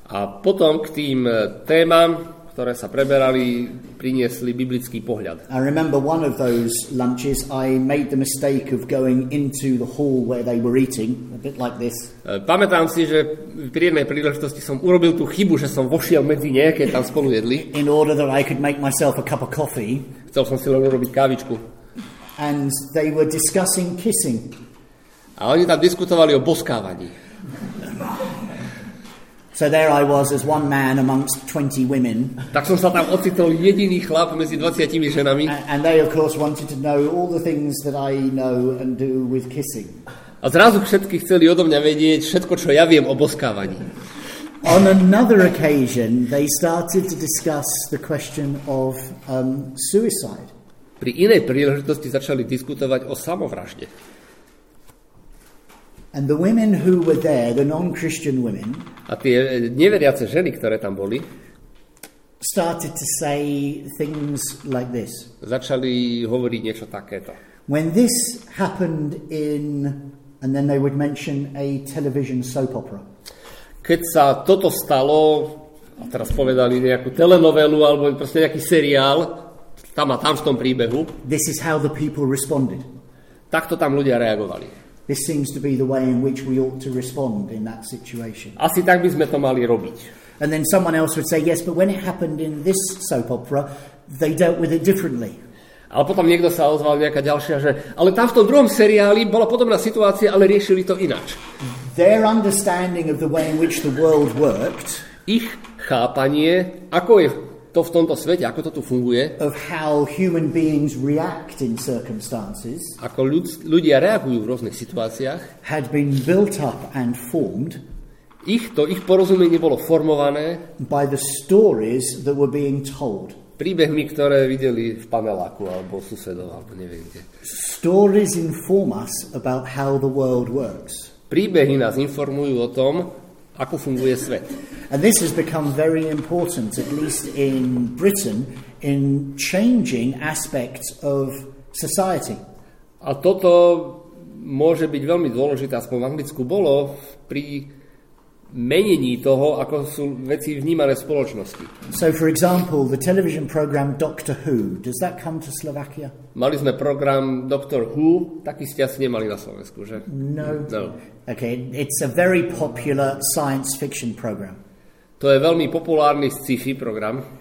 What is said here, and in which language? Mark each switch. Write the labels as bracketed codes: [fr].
[sk] A potom k tým témam, ktoré sa preberali, priniesli biblický pohľad. [en] I remember one of those lunches I made the mistake of going into the hall where they were eating, a bit like this. [sk] Pamätám si, že pri jednej príležitosti som urobil tú chybu, že som vošiel medzi ne, keď tam spolu jedli. [en] In order that I could make myself a cup of coffee. [sk] Chcel som si len urobiť kávičku. [en] And they were discussing kissing. [sk] A oni tam diskutovali o boskávaní. [en] So there I was as one man amongst 20 women. [sk] Tak som sa tam ocitol jediný chlap medzi 20 ženami. [en] And they of course wanted to know all the things that I know and do with kissing. [sk] A zrazu všetky chceli odo mňa vedieť všetko, čo ja viem o boskávaní. [en] On another occasion they started to discuss the question of suicide. [sk] Pri inej príležitosti začali diskutovať o samovražde. [en] And the women who were there, the non-Christian women, [sk] a tie neveriace ženy, ktoré tam boli, [en] started to say things like this. [sk] Začali hovoriť niečo takéto. [en] When this happened in, and then they would mention a television soap opera. [sk] Keď sa toto stalo, a teraz povedali nejakú telenovelu alebo proste nejaký seriál, tam a tam v tom príbehu. [en] This is how the people responded. [sk] Takto tam ľudia reagovali. [en] This seems to be the way in which we ought to respond in that situation. [sk] Asi tak by sme to mali robiť. [en] And then someone else would say, yes, but when it happened in this soap opera, they dealt with it differently. [sk] Ale potom niekto sa ozval, nejaká ďalšia, že ale tam v tom druhom seriáli bola podobná situácia, ale riešili to inač. [en] Their understanding of the way in which the world worked, [sk] ich chápanie, ako je to v tomto svete, ako to tu funguje, [en] of how human beings react in circumstances, [sk] ako ľudia reagujú v rôznych situáciách, [en] had been built up and formed, [sk] ich porozumenie bolo formované [en] by the stories that were being told, [sk] príbehmi, ktoré videli v paneláku alebo susedov alebo neviem kde. [en] Stories inform us about how the world works. [sk] Príbehy nás informujú o tom, ako funguje svet. [en] And this has become very important, at least in Britain, in changing aspects of society. [sk] A toto môže byť veľmi dôležité, aspoň v Anglicku bolo, pri menení toho, ako sú veci vnímané v spoločnosti. [en] So for example, the television program Doctor Who, does that come to Slovakia? [sk] Mali sme program Doctor Who, taký ste asi nemali na Slovensku, že? [en] No. [sk] No. [en] Okay, it's a very popular science fiction program. [sk] To je veľmi populárny sci-fi program.